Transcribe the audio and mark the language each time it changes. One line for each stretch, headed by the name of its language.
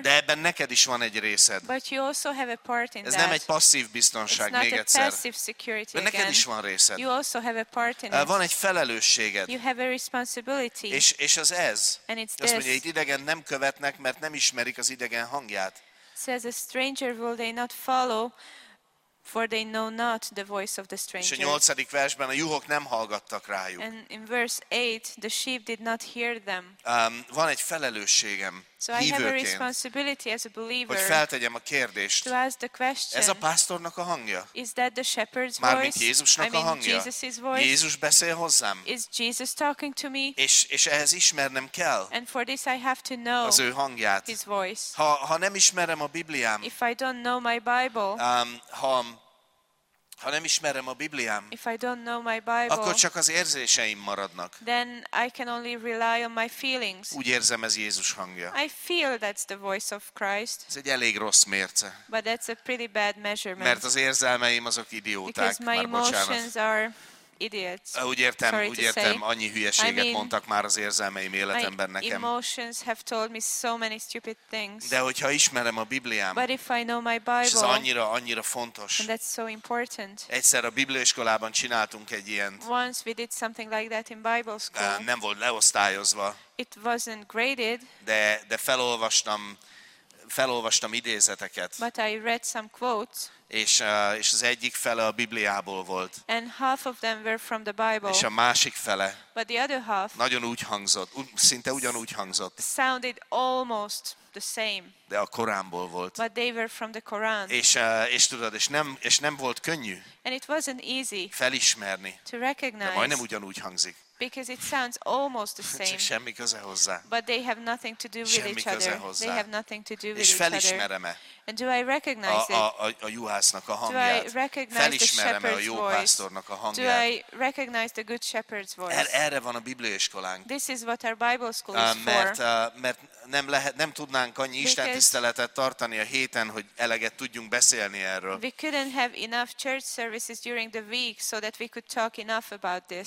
Hungarian: de ebben neked is van egy részed.
English: But you also have a part in
Hungarian: ez
English: that.
Hungarian: Nem egy passzív biztonság,
English: it's
Hungarian: még
English: not
Hungarian: egyszer.
English: A passive security
Hungarian: de neked
English: again.
Hungarian: Is van részed.
English: You also have a part in
Hungarian: van egy felelősséged.
English: You have a responsibility.
Hungarian: És az ez.
English: And it's
Hungarian: azt
English: this.
Hungarian: Mondja, itt idegen nem követnek, mert nem ismerik az idegen hangját.
English: Says a stranger will they not follow, for they know not the voice of the stranger.
Hungarian: És a 8. versben a juhok nem hallgattak rájuk.
English: And in verse 8, the sheep did not hear them.
Hungarian: Van egy felelősségem.
English: So I have a responsibility as a believer.
Hungarian: Hogy feltegyem a kérdést.
English: To ask the question.
Hungarian: Ez a pásztornak a hangja?
English: Is that the shepherd's voice?
Hungarian: Mármint Jézusnak
English: I mean
Hungarian: a hangja?
English: Jesus's voice?
Hungarian: Jézus beszél hozzám?
English: Is Jesus talking to me?
Hungarian: És ehhez ismernem kell.
English: And for this I have to know.
Hungarian: Az ő hangját.
English: His voice.
Hungarian: Ha nem ismerem a Bibliám.
English: If I don't know my Bible.
Hungarian: Ha nem ismerem a Bibliám, akkor csak az érzéseim maradnak.
English: Then I can only rely on my feelings.
Hungarian: Úgy érzem, ez Jézus hangja.
English: I feel that's the voice of Christ.
Hungarian: Ez egy elég rossz mérce.
English: But that's a pretty bad measurement.
Hungarian: Mert az érzelmeim azok idióták.
English: Because my emotions are idiots.
Hungarian: Úgy értem, annyi hülyeséget mondtak már az érzelmeim életemben nekem.
English: My emotions have told me so many stupid things.
Hungarian: De hogyha ismerem a Bibliám,
English: but if I know my Bible,
Hungarian: és ez annyira fontos.
English: And that's so important.
Hungarian: Egyszer a bibliaiskolában csináltunk egy ilyent.
English: Once we did something like that in Bible school.
Hungarian: Nem volt leosztályozva.
English: It wasn't graded.
Hungarian: De felolvastam idézeteket.
English: But I read some quotes.
Hungarian: És az egyik fele a Bibliából volt.
English: And half of them were from the Bible.
Hungarian: És a másik fele.
English: But the other half.
Hungarian: Nagyon úgy hangzott, szinte ugyanúgy hangzott.
English: Sounded almost the same.
Hungarian: De a Koránból volt.
English: But they were from the Quran.
Hungarian: És tudod, és nem volt könnyű.
English: And it wasn't easy.
Hungarian: Felismerni.
English: To recognize.
Hungarian: De majdnem ugyanúgy hangzik.
English: Because it sounds almost the same.
Hungarian: Csak semmi köze hozzá.
English: But they have nothing to do with
Hungarian: semmi
English: each other.
Hungarian: Semmi köze hozzá.
English: They have nothing to do with
Hungarian: és
English: each
Hungarian: felismerem-e?
English: Other. And do I recognize it?
Hungarian: A juhásznak a hangját.
English: Do I recognize
Hungarian: felismerem-e
English: the shepherd's
Hungarian: a jó pásztornak a hangját?
English: Do I recognize the good shepherd's voice?
Hungarian: Erre van a bibliaiskolánk.
English: This is what our Bible school is
Hungarian: mert nem tudnánk annyi istentiszteletet tartani a héten, hogy eleget tudjunk beszélni erről.
English: We couldn't have enough church services during the week so that we could talk enough about this.